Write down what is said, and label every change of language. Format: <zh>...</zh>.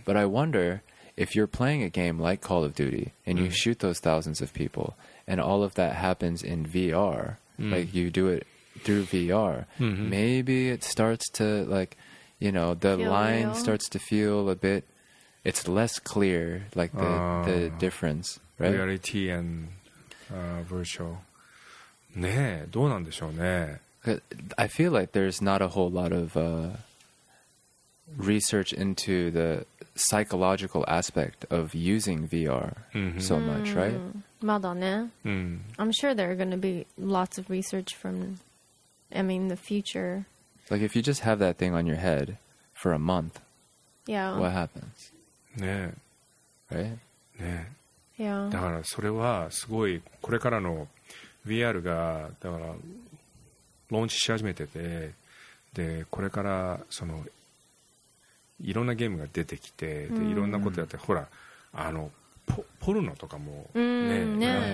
<en>But I wonder if you're playing a game like Call of Duty and you shoot those thousands of people, and all of that happens in VR, like you do it through VR, maybe it starts to, like, you know, the feel line real. Starts to feel a bit, it's less clear, like the difference, right? Reality and virtual.</en> <ja>ねえ、どうなんでしょうね。</ja> <en>I feel like there's not a whole lot of research into the psychological aspect of using VR so much, right?</en> <ja>まだね。</ja> <en>I'm sure there are going to be lots of research from, I mean, the future. Like, if you just have that thing on your head for a month, yeah. What happens?</en> <ja>ねえ。</ja> <en>Right?</en> <ja>ねえ。</ja> <en>Yeah.</en> <ja>だから、それはすごい、これからの VR が、だから、ローンチし始めてて、で、これから、その、いろんなゲームが出てきて、で、いろんなことやって、ほら、あの、ポルノとかも、ね</ja>